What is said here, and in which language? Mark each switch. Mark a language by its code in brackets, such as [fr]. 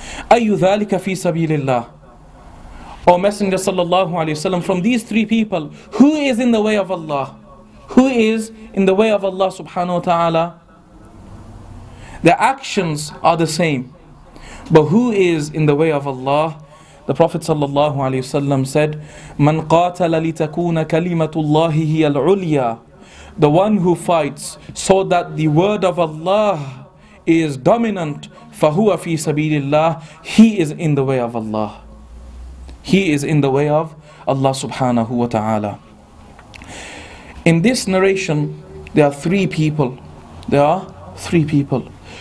[ar] أَيُّ ذَلِكَ فِي سَبِيلِ اللَّهِ. [en] O Messenger sallallahu alayhi wa sallam, from these three people, who is in the way of Allah? Who is in the way of Allah subhanahu wa ta'ala? The actions are the same. But who is in the way of Allah? The Prophet sallallahu alayhi wasallam said, [ar] مَنْ قَاتَلَ لِتَكُونَ كَلِمَةُ اللَّهِ هِيَ الْعُلْيَا. [en] The one who fights so that the word of Allah is dominant, [ar] فَهُوَ فِي سَبِيلِ اللَّهِ. [en] He is in the way of Allah. He is in the way of Allah subhanahu wa ta'ala. In this narration, there are three people. There are three people.